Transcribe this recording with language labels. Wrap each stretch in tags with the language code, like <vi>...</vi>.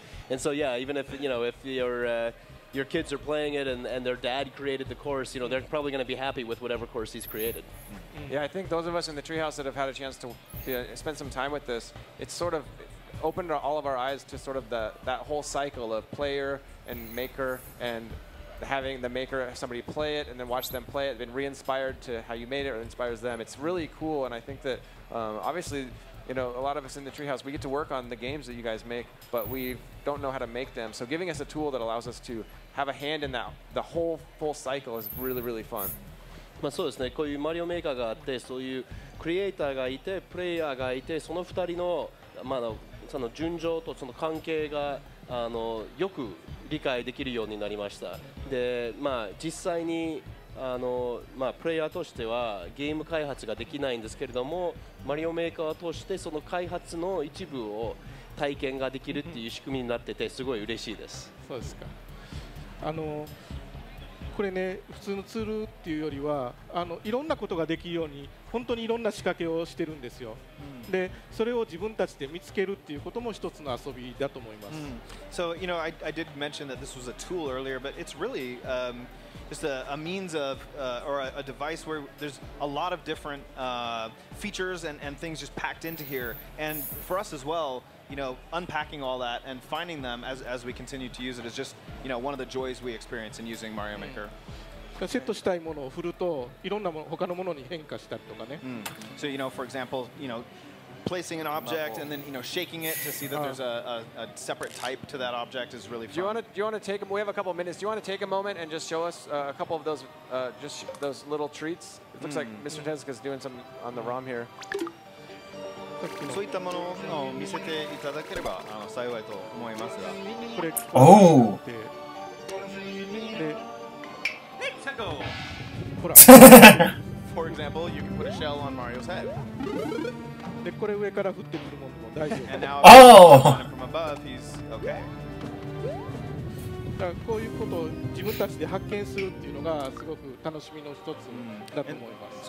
<en>And so yeah, even if you know if you're your kids are playing it and their dad created the course, you know, they're probably going to be happy with whatever course he's created. Yeah, I think those of us in the Treehouse that have had a chance to spend some time with this, it's sort of opened all of our eyes to sort of that whole cycle of player and maker, and having the maker, somebody play it and then watch them play it, been re-inspired to how you made it or inspires them. It's really cool, and I think that obviously, you know, a lot of us in the Treehouse, we get to work on the games that you guys make, but we don't know how to make them. So giving us a tool that allows us to have a hand in that, the whole full cycle is really, really fun.</en> <ja>まあそうですね。こういうマリオメーカーがあって、そういうクリエイターがいて、プレイヤーがいて、その二人の、まあ、その順序とその関係があのよく理解できるようになりました。で、まあ実際にあのまあ、プレイヤーとしてはゲーム開発ができないんですけれども、マリオメーカーとしてその開発の一部を体験ができるっていう仕組みになっててすごい嬉しいです。そうですか。あのこれね普通のツールっていうよりはあのいろんなことができるように本当にいろんな仕掛けをしてるんですよ。うん、でそれを自分たちで見つけるっていうことも一つの遊びだと思います。うん、</ja> <en>so you know I did mention that this was a tool earlier, but it's really、just a means of or a device where there's a lot of different features and things just packed into here. And for us as well. You know, unpacking all that and finding them as we continue to use it is just, you know, one of the joys we experience in using Mario Maker.</en> <ja>セットしたいものを振ると、いろんなもの、他のものに変化したりとかね。</ja> <en>So, you know, for example, you know, placing an object and then, you know, shaking it to see that there's a separate type to that object is really fun. Do you want to take, we have a couple of minutes, do you want to take a moment and just show us a couple of those, just those little treats? It looks like Mr. Tezuka is doing some on the ROM here.</en> <ja>そういったものを見せていただければあの幸いと思いますが、これおお、で、ヘッチャゴ、ほら、</ja> <en>for example, you can put a shell on Mario's head.</en> <ja>でこれ上から降ってくるものも大丈夫。</ja> <en>And now, oh, from above, he's okay.</en> <ja>だからこういうことを自分たちで発見するっていうのがすごく楽しみの一つだと思います。</ja>